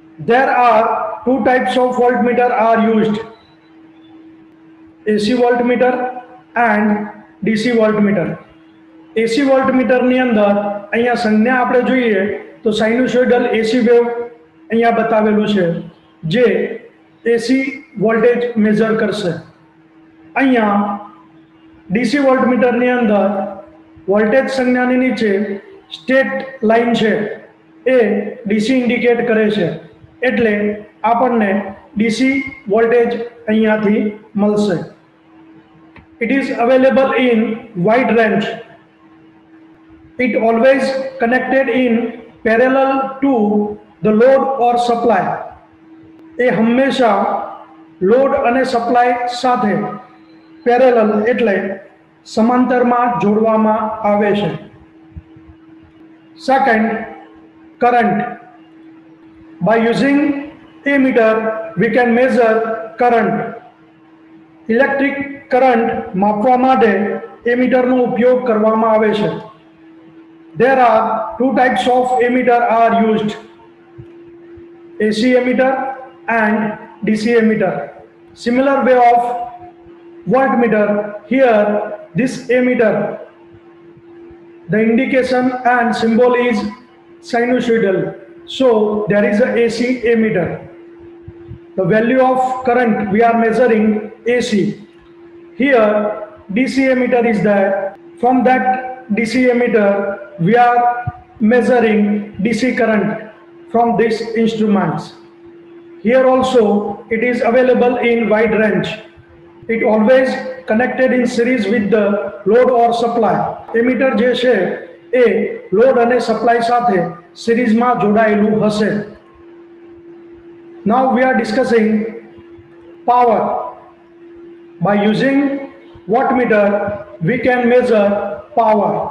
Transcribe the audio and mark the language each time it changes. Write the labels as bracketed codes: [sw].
[en] There are two types of voltmeter are used: AC voltmeter and DC voltmeter. [gu] AC voltmeter ની અંદર અહીંયા સંજ્ઞા આપણે જોઈએ તો sinusoidal AC wave અહીંયા બતાવેલું છે જે AC voltage measure કરશે. અહીંયા DC voltmeter ની અંદર voltage સંજ્ઞાની નીચે સ્ટેટ લાઇન છે એ DC ઇન્ડિકેટ કરે છે એટલે આપણને DC voltage અહીંયાથી મળશે. [en] It is available in wide range. It always connected in parallel to the load or supply. [gu] એ હંમેશા લોડ અને સપ્લાય સાથે parallel એટલે સમાંતરમાં જોડવામાં આવે છે. [en] Second, current. By using ammeter, we can measure current. [gu] Electric current માપવા માટે ammeterનો ઉપયોગ કરવામાં આવે છે. [en] There are two types of ammeter are used: AC ammeter and DC ammeter. Similar way of voltmeter, here this ammeter, the indication and symbol is sinusoidal. So there is a AC ammeter. The value of current we are measuring AC. Here DC ammeter is there. From that DC ammeter we are measuring DC current from this instruments. Here also it is available in wide range. It always connected in series with the load or supply. [gu] Ammeter જે છે એ load અને supply સાથે series માં જોડાયેલું હશે. [en] Now we are discussing power. By using wattmeter we can measure power.